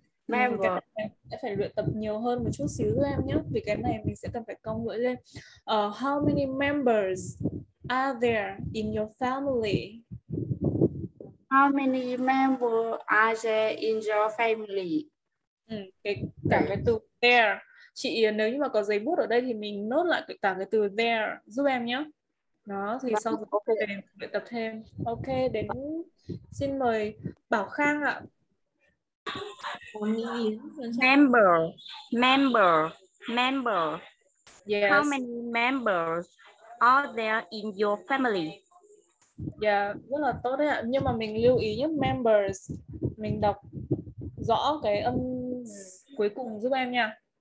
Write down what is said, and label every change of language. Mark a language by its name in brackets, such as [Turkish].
[Vietnamese] Member. Sẽ phải luyện tập nhiều hơn một chút xíu với em nhé, vì cái này mình sẽ cần phải cong lưỡi lên. [English] How many members are there in your family? How many members are there in your family? [Vietnamese] Cái từ there. Chị nếu như mà có giấy bút ở đây thì mình nốt lại cả cái từ there giúp em nhé. Đó, thì sau đó luyện tập thêm. Ok, đến xin mời Bảo Khang ạ. [English] Member. Yes. How many members are there in your family? [Vietnamese] Yeah, rất là tốt đấy ạ. Nhưng mà mình lưu ý nhé, members, mình đọc rõ cái âm cuối cùng giúp em nha.